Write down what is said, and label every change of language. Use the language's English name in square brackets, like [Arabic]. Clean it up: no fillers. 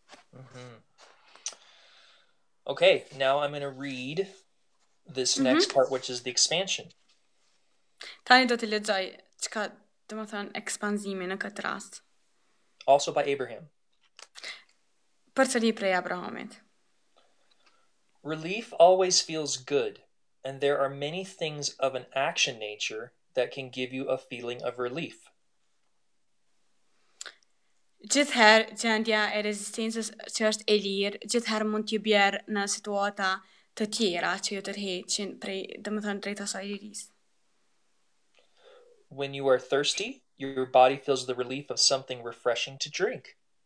[English] Mm-hmm. Okay, now I'm going to read this mm-hmm. next part, which is the expansion. [Albanian] Tani do të lexoj çka, do të thon, ekspanzimin në këtë rast. [English] Also by Abraham. [Albanian] Përsëri prej Abrahamit. [English] Relief always feels good, and there are many things of an action nature that can give you a feeling of relief. [Albanian] Gjithherë gjendja e rezistencës që është e lirë, gjithherë mund t'ju bjerë në situata të tjera që ju tërheqin prej, dhe më thënë, drejta saj lirisë. [English] When you are thirsty, your body feels the relief of something refreshing to drink.